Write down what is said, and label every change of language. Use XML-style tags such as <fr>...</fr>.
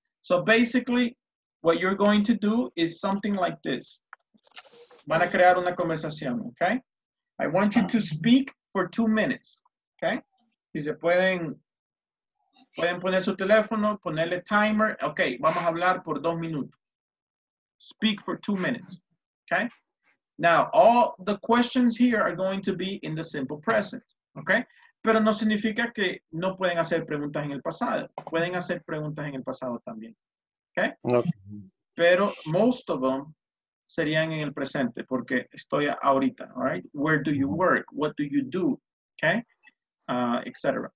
<en>So basically, what you're going to do is something like this.</en> <es>Van a crear una conversación,</es> <en>okay? I want you to speak for 2 minutes, okay?</en> <es>Si se pueden poner su teléfono, ponerle timer. Okay, vamos a hablar por 2 minutos.</es> <en>Speak for 2 minutes,</en> <es>okay?</es> <en>Now, all the questions here are going to be in the simple present, okay?</en> <es>Pero no significa que no pueden hacer preguntas en el pasado. Pueden hacer preguntas en el pasado también, okay? No. Pero</es> <en>most of them</en> <es>serían en el presente, porque estoy ahorita,</es> <en>all right? Where do you work? What do you do? Okay? Etc.</en>